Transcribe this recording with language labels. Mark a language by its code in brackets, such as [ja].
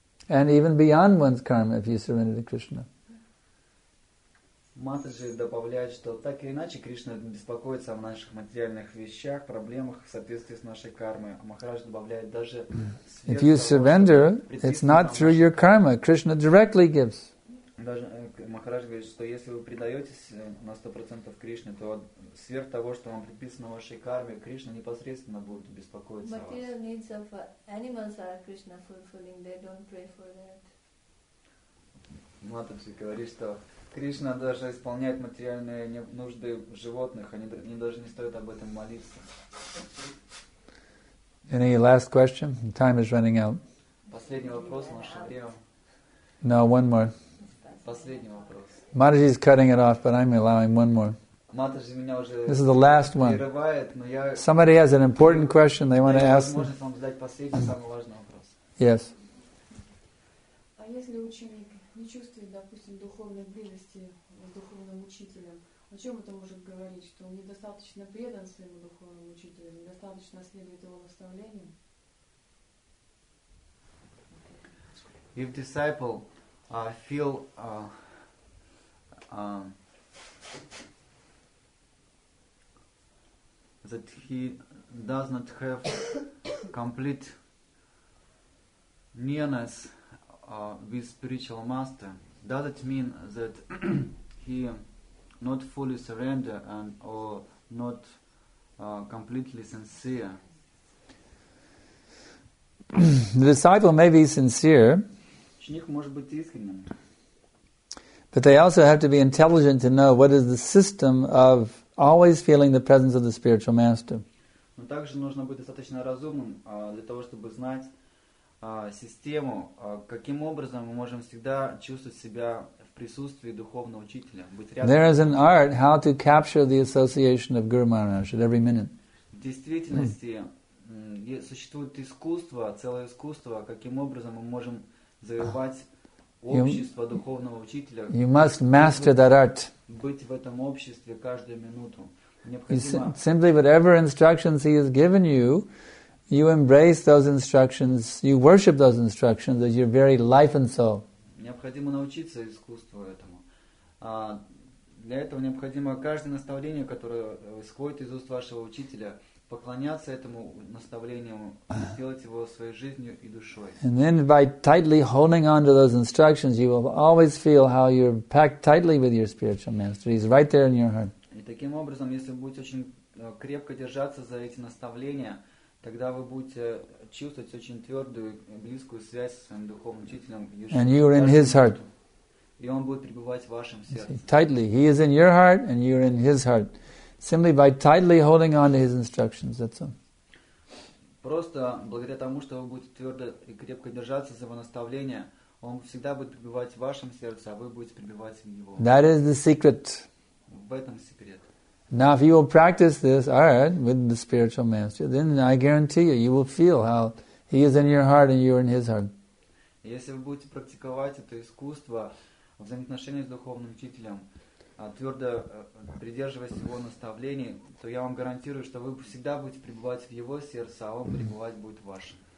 [en] And even beyond one's karma, if you surrender to Krishna. [ru] Матаджи добавляет, что так или иначе Кришна беспокоится о наших материальных вещах, проблемах в соответствии с нашей кармой. Махарадж добавляет, даже [en] if you surrender, it's not through your karma. Krishna directly gives. [ru] Даже Махарадж говорит, что если вы предаетесь на 100% Кришне, то сверх того, что вам предписано в вашей карме, Кришна непосредственно будет беспокоиться о вас. [en] Material needs of animals are Krishna fulfilling. They don't pray for that. [ru] Матаджи говорит, что Кришна даже исполняет материальные нужды животных, они даже не стоят об этом молиться. [en] Any last question? Time is running out. [ru] Последний вопрос, наше время. [en] No, one more. [ru] Последний вопрос. [en] Матаджи is cutting it off, but I'm allowing one more. [ru] Матаджи меня уже. [en] This is the last one. [ru] Прерывает, но я. [en] Somebody has an important question they want to ask. [ru] Можно вам задать последний самый важный вопрос? [en] Yes. [ru] А если ученик не чувствует, допустим, духовной близости с духовным учителем, о чем это может говорить? Что он недостаточно предан своему духовному учителю, недостаточно следует его наставлению? [en] If disciple feel that he does not have complete nearness with spiritual master, does it mean that he not fully surrender and or not completely sincere? The disciple may be sincere. [ru] Ученик может быть искренним. [en] But they also have to be intelligent to know what is the system of always feeling the presence of the spiritual master. [ru] Но также нужно быть достаточно разумным для того, чтобы знать систему, каким образом мы можем всегда чувствовать себя в присутствии духовного учителя, быть рядом. [en] There is an art how to capture the association of Guru Maharaj at every minute. [ru] В действительности существует искусство, целое искусство, каким образом мы можем завоевать общество духовного учителя. [en] You must master that art. [ru] Быть в этом обществе каждую минуту. [en] Simply whatever instructions he has given you, you embrace those instructions, you worship those instructions as your very life and soul. [ru] Необходимо научиться искусству этому. Для этого необходимо каждое наставление, которое исходит из уст вашего учителя, поклоняться этому наставлению, сделать его своей жизнью и душой. [en] And then by tightly holding on to those instructions, you will always feel how you're packed tightly with your spiritual master. He's right there in your heart. [ru] И таким образом, если вы будете очень крепко держаться за эти наставления, тогда вы будете чувствовать очень твердую близкую связь с своим духовным учителем. [en] And you are in his heart. [ru] И он будет пребывать в вашем сердце. [en] Tightly. He is in your heart and you are in his heart. Simply by tightly holding on to his instructions, that's all. [ru] Просто благодаря тому, что вы будете твердо и крепко держаться за его наставления, он всегда будет пребывать в вашем сердце, а вы будете пребывать в его. [en] That is the secret. [ru] В этом секрет. [en] Now, if you will practice this art with the spiritual master, then I guarantee you, you will feel how he is in your heart and you are in his heart. [ru] Если вы будете практиковать это искусство взаимоотношений с духовным учителем, твердо придерживаясь его наставлений, то я вам гарантирую, что вы всегда будете пребывать в его сердце, а он пребывать будет в вашем.